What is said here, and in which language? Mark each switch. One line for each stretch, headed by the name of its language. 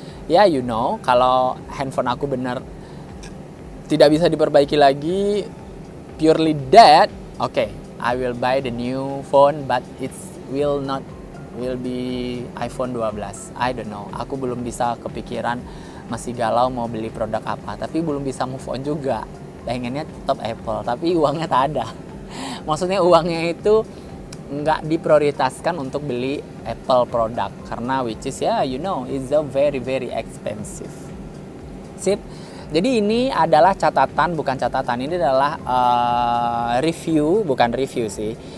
English: Ya, you know,
Indonesian: kalau handphone aku benar tidak bisa diperbaiki lagi,
English: purely dead, oke, okay, I will buy the new phone, but it will be iPhone 12. I don't know.
Indonesian: Aku belum bisa kepikiran, masih galau mau beli produk apa. Tapi belum bisa
English: move on
Indonesian: juga. Pengennya tetap Apple, tapi uangnya tak ada. Maksudnya uangnya itu nggak diprioritaskan untuk beli Apple produk.
English: Karena which is, yeah, you know, it's a very, very expensive.
Indonesian: Sip. Jadi ini adalah catatan, bukan catatan, ini adalah review sih.